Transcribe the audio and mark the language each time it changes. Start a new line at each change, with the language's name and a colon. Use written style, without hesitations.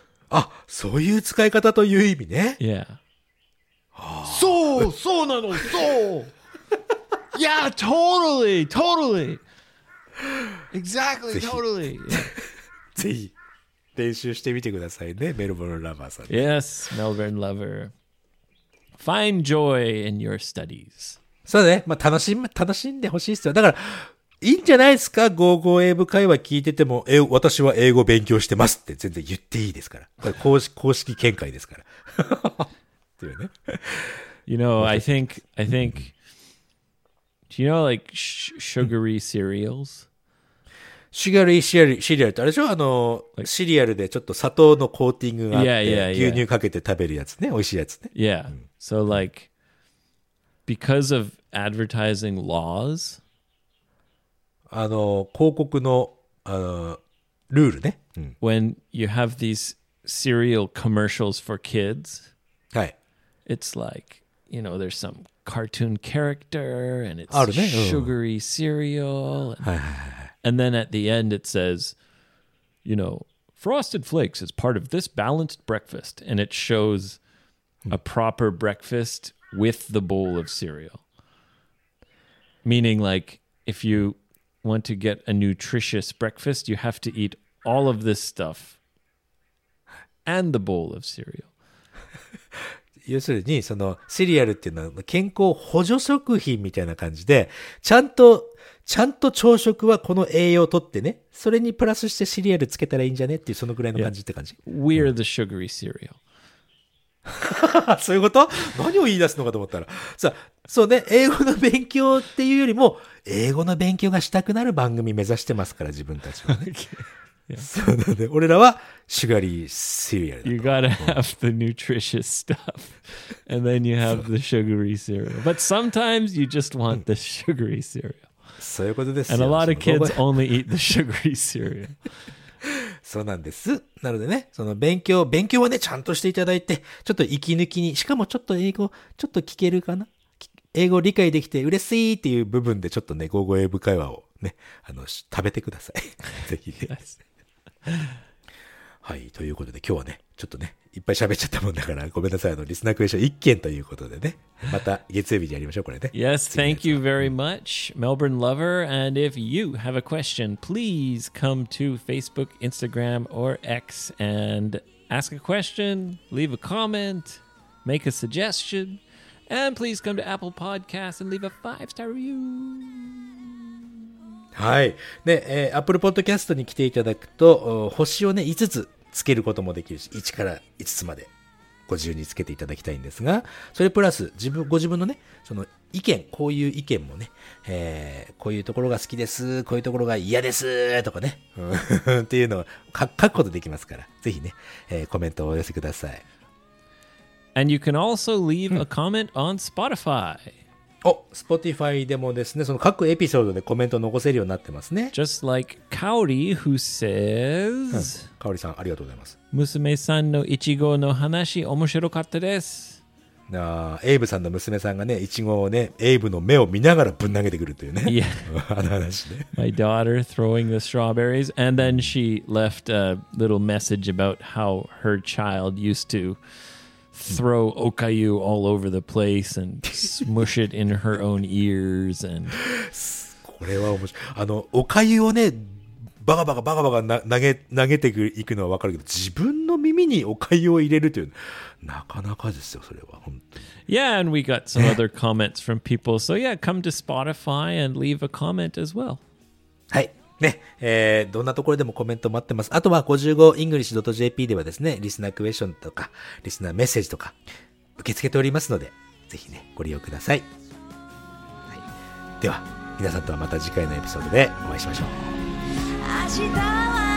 Japanese: あ、そういう使い方という意味ね。
English: Yeah.
Japanese: そう、そうなの、そう。
English: Yeah, totally, totally. Exactly, totally.
Japanese: ぜひ練習してみてくださいね、メルボルンラバーさん。
English: Yes, Melbourne lover. Find joy in your studies.
Japanese: そうね、まあ、楽しんでほしいですよ。だから、いいんじゃないですか、ゴーゴー英語会話聞いてても、私は英語勉強してますって全然言っていいですから。これ公式見解ですから。っていうね。
English: You know, I think Do you know like sugary cereals? Sugary cereal
Japanese: ってあれでしょ? あの、like, シリアルでちょっと砂糖のコーティングがあって牛乳かけて食べるやつね。美味しいやつね。
English: Yeah. So like, because of advertising laws?
Japanese: あの、広告の、ルールね。
English: When you have these serial commercials for kids,、
Japanese: はい、
English: it's like, you know, there's some cartoon character and it's、ね、sugary、うん、cereal. And,、はい、 and then at the end it says, you know, Frosted Flakes is part of this balanced breakfast. And it shows、うん、a proper breakfast with the bowl of cereal. Meaning like, if you want to get a nutritious breakfast, you have to eat all of this stuff. And the bowl of cereal.
Japanese: 要するにそのシリアルっていうのは健康補助食品みたいな感じで、ちゃんと朝食はこの栄養を取ってね、それにプラスしてシリアルつけたらいいんじゃねっていうそのぐらいの感じって感じ。
English: Yeah. We're the sugary cereal.
Japanese: そういうこと？何を言い出すのかと思ったら、さあ、そうね、英語の勉強っていうよりも英語の勉強がしたくなる番組目指してますから自分たちは、ね。
English: Yeah.
Japanese: 俺らはシュガリーシリアルだと。
English: You gotta have the nutritious stuff, and then you have the sugary cereal. But sometimes you just want the sugary cereal.
Japanese: そういうことですよ。
English: And a lot of kids only eat the sugary cereal.
Japanese: そうなんです。なのでね、その勉強はね、ちゃんとしていただいて、ちょっと息抜きに、しかもちょっと英語ちょっと聞けるかな、英語理解できて嬉しいっていう部分でちょっとね、語語英語会話をね、あの食べてください。ぜひね。
English: Yes.
Japanese: はい、ということで今日はね、ちょっとね、いっぱい喋っちゃったもんだからごめんなさい、あのリスナークエスチョン1件ということでね、また月曜日にやりましょうこれね。
English: Yes, thank you very much, Melbourne lover. And if you have a question, please come to Facebook, Instagram or X and ask a question, leave a comment, make a suggestion, and please come to Apple Podcasts and leave a 5-star review。
Japanese: はい。で、Apple Podcast に来ていただくと、星をね、5つつけることもできるし、1から5つまで、ご自由につけていただきたいんですが、それプラス、ご自分のね、その意見、こういう意見もね、こういうところが好きです、こういうところが嫌です、とかね、っていうのを書くことできますから、ぜひね、コメントをお寄せください。
English: And you can also leave a comment on Spotify.
Japanese: お、Spotify でもですね、その各エピソードでコメントを残せるようになってますね。
English: Just like Kaori who says、
Japanese: うん、Kaori さんありがとうございます。娘さんのいちごの話面白かったです。あ、エイブさんの娘さんがね、いちごをね、エイブの目を見ながらぶん投げてくるというね。
English: Yeah.
Japanese: あの話ね。
English: My daughter throwing the strawberries and then she left a little message about how her child used to. Throw okayu all over the place and smush it in her own ears. And
Japanese: これは面白い。あのおかゆをね、バカバカ投げていくのは分かるけど、自分の耳におかゆを入れるというなかなかですよ。それは本当に。
English: Yeah, and we got some other comments from people. So yeah, come to Spotify and leave a comment as well.
Japanese: はい。ね、どんなところでもコメント待ってます。あとは 55english.jp ではですね、リスナークエスチョンとか、リスナーメッセージとか、受け付けておりますので、ぜひね、ご利用ください。はい、では、皆さんとはまた次回のエピソードでお会いしましょう。明日